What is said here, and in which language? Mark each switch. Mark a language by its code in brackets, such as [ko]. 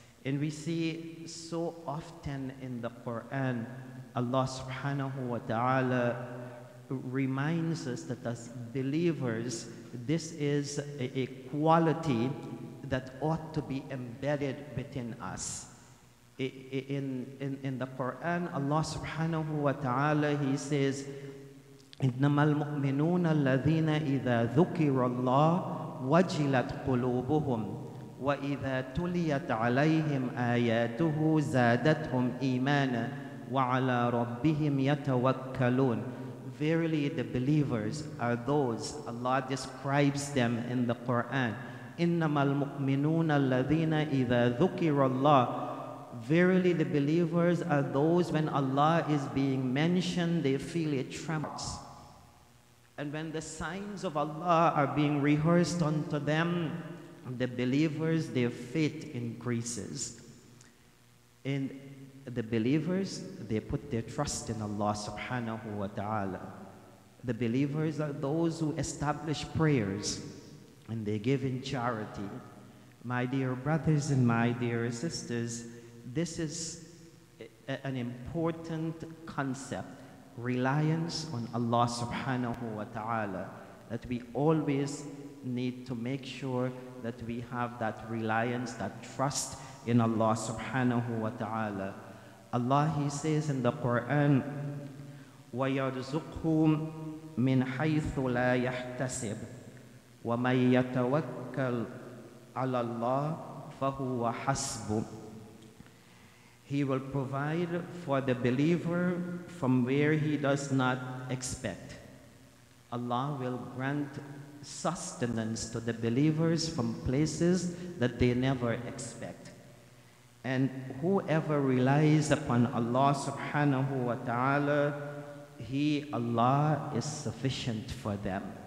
[en] And we see so often in the Quran, Allah subhanahu wa ta'ala reminds us that as believers, this is a quality that ought to be embedded within us. In the Quran, Allah subhanahu wa ta'ala, He says, [ar] إِنَّمَا الْمُؤْمِنُونَ الَّذِينَ إِذَا ذُكِرَ اللَّهُ وَجِلَتْ قُلُوبُهُمْ وَإِذَا تُلِيَتْ عَلَيْهِمْ آيَاتُهُ زَادَتْهُمْ إِيمَانًا وَعَلَىٰ رَبِّهِمْ يَتَوَكَّلُونَ. [en] Verily the believers are those, Allah describes them in the Quran. [ar] إِنَّمَا الْمُؤْمِنُونَ الَّذِينَ إِذَا ذُكِرَ اللَّهُ. [en] Verily the believers are those when Allah is being mentioned, they feel it tremors. And when the signs of Allah are being rehearsed unto them, the believers, their faith increases. And the believers, they put their trust in Allah subhanahu wa ta'ala. The believers are those who establish prayers and they give in charity. My dear brothers and my dear sisters, this is an important concept, reliance on Allah subhanahu wa ta'ala, that we always need to make sure that we have that reliance, that trust in Allah subhanahu wa ta'ala. Allah, He says in the Quran, [ar] وَيَرْزُقْهُ مِنْ حَيْثُ لَا يَحْتَسِبْ وَمَنْ يَتَوَكَّلْ عَلَى اللَّهِ فَهُوَ حَسْبُ. [en] He will provide for the believer from where he does not expect. Allah will grant sustenance to the believers from places that they never expect. And whoever relies upon Allah subhanahu wa ta'ala, He, Allah, is sufficient for them.